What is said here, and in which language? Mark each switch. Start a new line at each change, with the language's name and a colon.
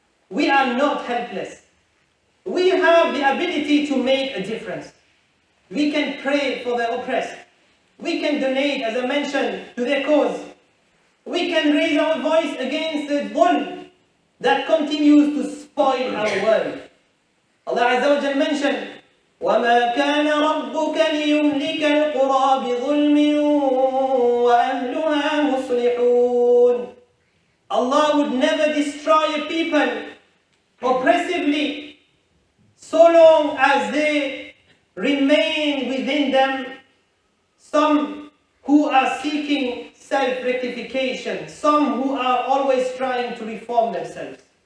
English: We are not helpless. We have the ability to make a difference. We can pray for the oppressed. We can donate, as I mentioned, to their cause. We can raise our voice against the dhulm that continues to spoil our world. Allah Azza wa Jalla mentioned,
Arabic: وَمَا كَانَ رَبُّكَ لِيُمْلِكَ الْقُرَى بِظُلْمٍ وَأَهْلُهَا مُصْلِحُونَ.
English: Allah would never destroy a people oppressively so long as they remain within them some who are seeking self-rectification, some who are always trying to reform themselves.